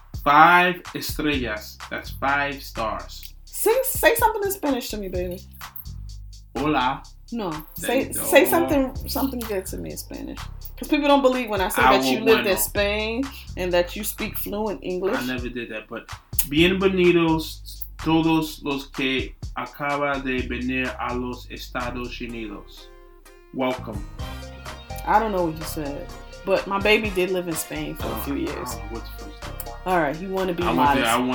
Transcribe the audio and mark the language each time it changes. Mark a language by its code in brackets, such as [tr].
[es] 5 estrellas. [en] That's 5 stars. Say something in Spanish to me, baby. [es] Hola. [en] No. Say something good to me in Spanish. Because people don't believe when I say that you lived in Spain and that you speak fluent English. I never did that. But [es] bienvenidos todos los que acaba de venir a los Estados Unidos. [en] Welcome. I don't know what you said. But my baby did live in Spain for a few years. Alright, you want to be modest.